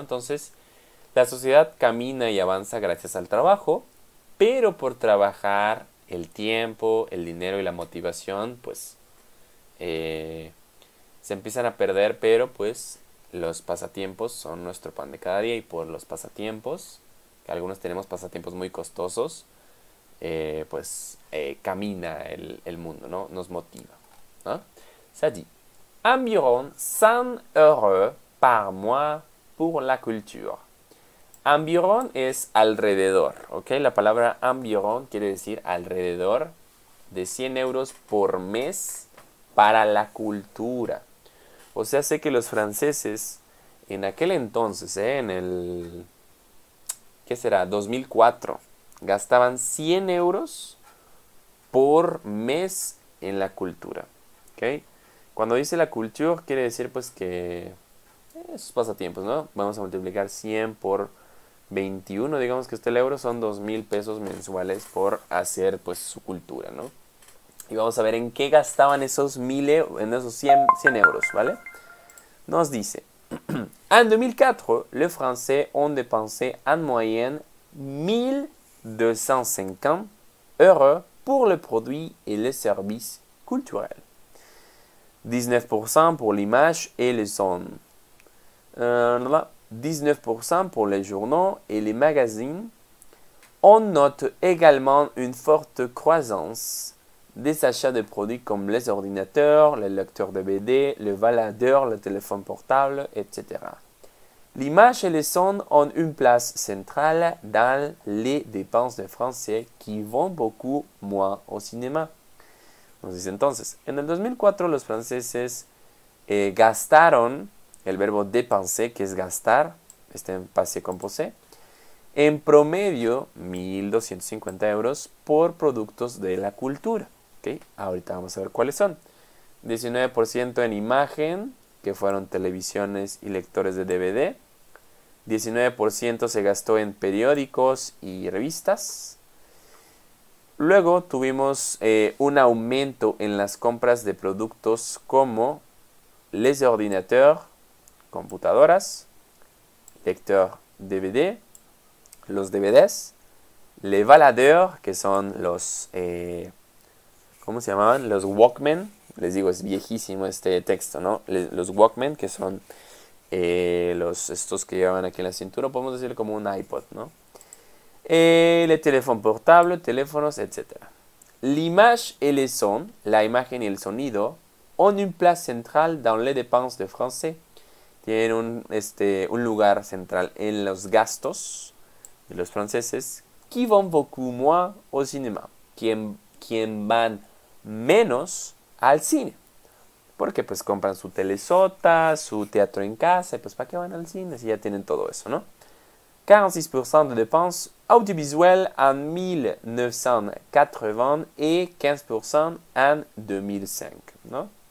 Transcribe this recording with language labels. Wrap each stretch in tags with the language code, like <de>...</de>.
<es>Entonces, la sociedad camina y avanza gracias al trabajo, pero por trabajar el tiempo, el dinero y la motivación, pues, se empiezan a perder, pero pues los pasatiempos son nuestro pan de cada día y por los pasatiempos, que algunos tenemos pasatiempos muy costosos, pues camina el mundo, ¿no? Nos motiva, ¿no?</es> <fr>Ça dit, environ 100 euros par mois pour la culture.</fr> <es>Environ es alrededor, ¿ok? La palabra environ quiere decir alrededor de 100 euros por mes para la cultura. O sea, sé que los franceses en aquel entonces, en el, ¿qué será? 2004, gastaban 100 euros por mes en la cultura, ¿ok? Cuando dice la culture, quiere decir pues que esos pasatiempos, ¿no? Vamos a multiplicar 100 por 21, digamos que este euro son 2,000 pesos mensuales por hacer pues su cultura, ¿no? Y vamos a ver en qué gastaban esos 1,000, en esos 100 euros, ¿vale? Nos dice, en 2004, los franceses</es> <fr>han dépensé en moyenne</fr> <es>1,250 euros por el producto y el servicio cultural.</es> <fr>19% pour l'image et les sons. 19% pour les journaux et les magazines. On note également une forte croissance des achats de produits comme les ordinateurs, les lecteurs de BD, le baladeur, le téléphone portable, etc. L'image et les sons ont une place centrale dans les dépenses des Français qui vont beaucoup moins au cinéma.</fr> <es>Nos dice entonces, en el 2004 los franceses gastaron, el verbo dépenser, que es gastar, está en passé composé, en promedio 1,250 euros por productos de la cultura. ¿Okay? Ahorita vamos a ver cuáles son. 19% en imagen, que fueron televisiones y lectores de DVD. 19% se gastó en periódicos y revistas. Luego tuvimos un aumento en las compras de productos como les ordinateurs, computadoras, lecteurs DVD, los DVDs, les baladeurs, que son los, ¿cómo se llamaban? Los Walkman, les digo, es viejísimo este texto, ¿no? Los Walkman, que son estos que llevaban aquí en la cintura, podemos decir como un iPod, ¿no? El teléfono portable, teléfonos, etc.</es> <fr>L'image et le son,</fr> <es>la imagen y el sonido,</es> <fr>ont une place centrale dans les dépenses de français.</fr> <es>Tienen un lugar central en los gastos de los franceses.</es> <fr>Qui vont beaucoup moins au cinéma.</fr> <es>Quien van menos al cine. Porque pues compran su telesota, su teatro en casa, y pues ¿para qué van al cine? Si ya tienen todo eso, ¿no?</es> <fr>46% de dépenses audiovisuelles en 1980 et 15% en 2005, ¿no?</fr>